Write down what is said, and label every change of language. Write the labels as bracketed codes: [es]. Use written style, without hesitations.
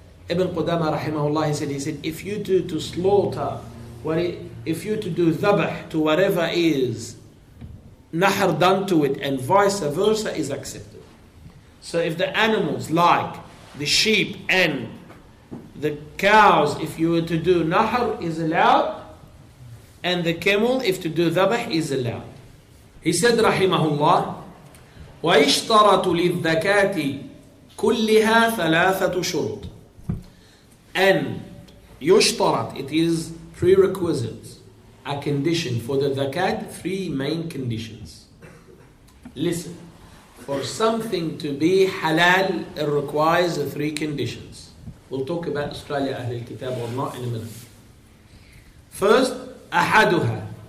[en] Ibn Qudama rahimahullah, he said, if you to slaughter, if you to do dhabah to whatever is nahar done to it, and vice versa, is accepted. So if the animals like the sheep and the cows, if you were to do nahar, is allowed. And the camel, if to do dhabah, is allowed. He said, rahimahullah, [ar] وَإِشْتَرَتُ لِلذَّكَاتِ كُلِّهَا ثَلَاثَةُ شُرُطٍ. [en] And يُشْتَرَتْ, it is prerequisites, a condition for the zakat, three main conditions. Listen. For something to be halal, it requires three conditions. We'll talk about Australia Ahlul Kitab or not in a minute. First, ahaduha,